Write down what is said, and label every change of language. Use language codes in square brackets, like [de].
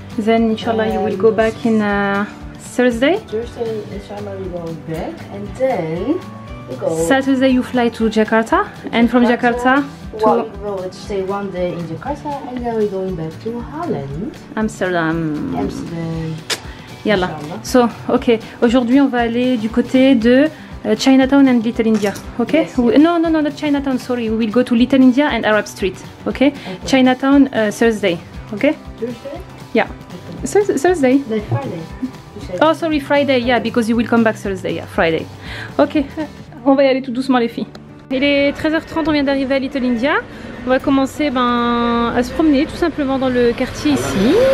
[en] Then inshallah you will go back in Thursday. Thursday inshallah we go back and then we go. Saturday you fly to Jakarta and from Jakarta to stay one day in Jakarta and then we're going back to Holland. Amsterdam. Amsterdam. Yalla. So okay. [fr] Aujourd'hui on va aller du côté de Chinatown [en] and Little India, [fr] ok? [en] Yes, yes. No, not Chinatown, sorry. We will go to Little India and Arab Street, okay? Okay. Chinatown Thursday. Ok. Thursday? Yeah. Thursday? Friday. Oh, sorry, Friday. Yeah, because you will come back Thursday. Yeah, Friday. Ok. [fr] On va y aller tout doucement, les filles. Il est 13h30, on vient d'arriver à Little India. On va commencer à se promener tout simplement dans le quartier ici.